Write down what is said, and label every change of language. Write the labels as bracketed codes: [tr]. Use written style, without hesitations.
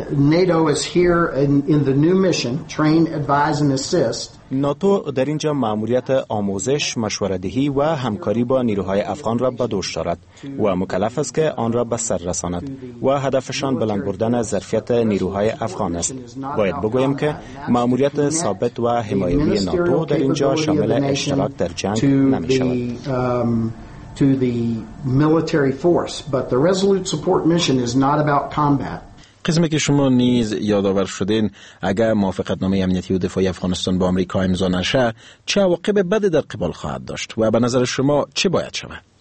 [en] NATO is here in the new mission, train, advise and assist. [fa] ناتو در اینجا ماموریت آموزش، مشوره‌دهی و همکاری با نیروهای افغان را به دوش دارد و مکلف است که آن را به سر رساند و هدفشان بلند بردن ظرفیت نیروهای افغان است. باید بگویم که ماموریت ثابت و حمایتی ناتو در اینجا شامل اشتراک در جنگ نمی شود. [en] To the military force, but the resolute support mission is not about combat. [fa] قسمی که شما نیز یادآور شدین، اگر موافقت نامه امنیتی و دفاعی افغانستان با آمریکا امضا نشه، چه عواقب بدی در قبال خواهد داشت و به نظر شما چه باید شود؟